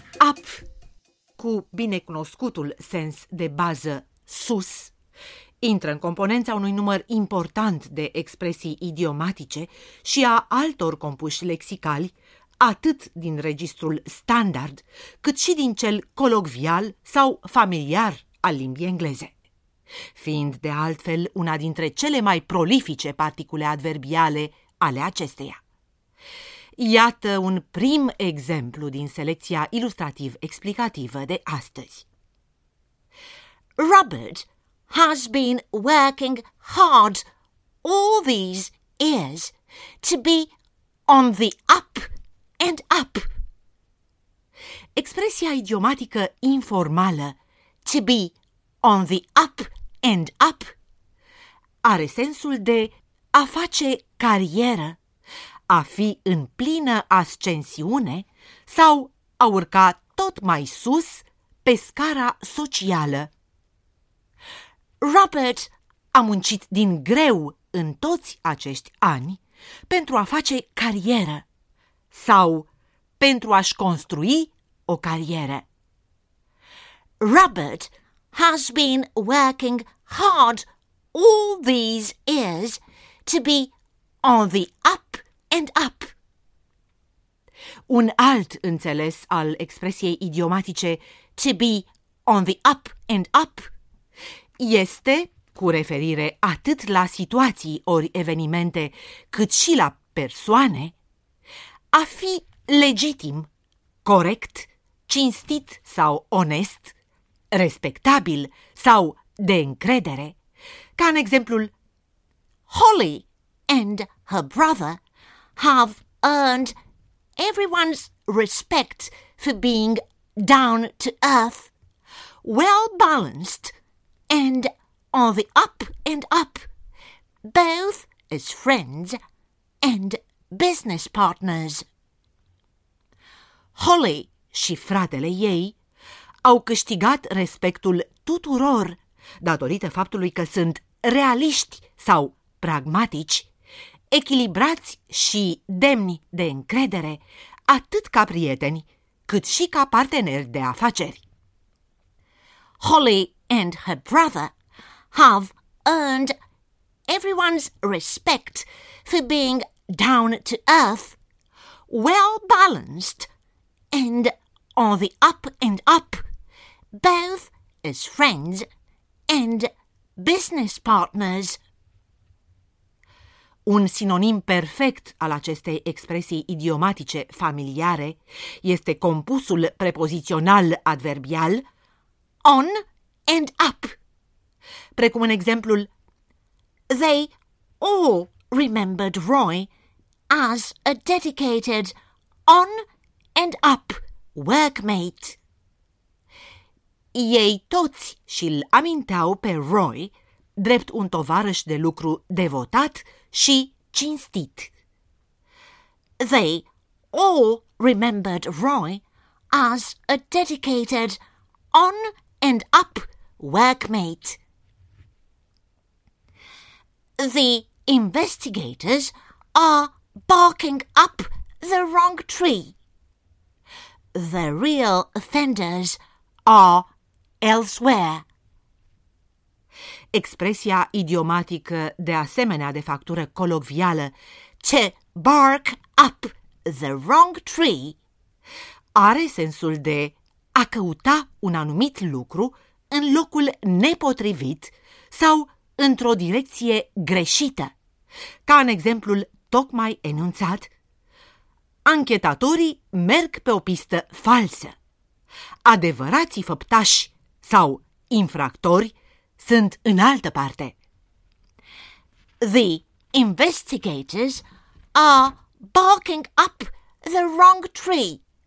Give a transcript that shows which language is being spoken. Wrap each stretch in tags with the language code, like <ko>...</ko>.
<ro>Up, cu binecunoscutul sens de bază sus, intră în componența unui număr important de expresii idiomatice și a altor compuși lexicali, atât din registrul standard, cât și din cel colocvial sau familiar al limbii engleze. Fiind de altfel una dintre cele mai prolifice particule adverbiale ale acesteia. Iată un prim exemplu din selecția ilustrativ-explicativă de astăzi.</ro> <en>Robert has been working hard all these years to be on the up and up.</en> <ro>Expresia idiomatică informală</ro> <en>to be on the up and up</en> <ro>are sensul de a face carieră, a fi în plină ascensiune sau a urca tot mai sus pe scara socială. Robert a muncit din greu în toți acești ani pentru a face carieră sau pentru a-și construi o carieră.</ro> <en>Robert has been working hard all these years to be on the up and up.</en> <ro>Un alt înțeles al expresiei idiomatice</ro> <en>to be on the up and up</en> <ro>este, cu referire atât la situații ori evenimente, cât și la persoane, a fi legitim, corect, cinstit sau onest, respectabil sau de încredere, ca în exemplul</ro> <en>Holly and her brother have earned everyone's respect for being down to earth, well balanced and on the up and up, both as friends and business partners.</en> <ro>Holly și fratele ei au câștigat respectul tuturor datorită faptului că sunt realiști sau pragmatici, echilibrați și demni de încredere, atât ca prieteni, cât și ca parteneri de afaceri.</ro> <en>Holly and her brother have earned everyone's respect for being down to earth, well balanced and on the up and up, both as friends and business partners.</en> <ro>Un sinonim perfect al acestei expresii idiomatice familiare este compusul prepozițional adverbial on and up, precum în exemplul</ro> <en>They all remembered Roy as a dedicated on and up workmate.</en> <ro>Ei toți și-l aminteau pe Roy drept un tovarăș de lucru devotat și cinstit.</ro> <en>They all remembered Roy as a dedicated on and up workmate. The investigators are barking up the wrong tree. The real offenders are elsewhere.</en> <ro>Expresia idiomatică de asemenea de factură colocvială,</ro> <en>to bark up the wrong tree,</en> <ro>are sensul de a căuta un anumit lucru în locul nepotrivit sau într-o direcție greșită, ca în exemplul tocmai enunțat. Anchetatorii merg pe o pistă falsă. Adevărații făptași sau infractori sunt în altă parte.</ro> <en>The investigators are barking up the wrong tree.</en>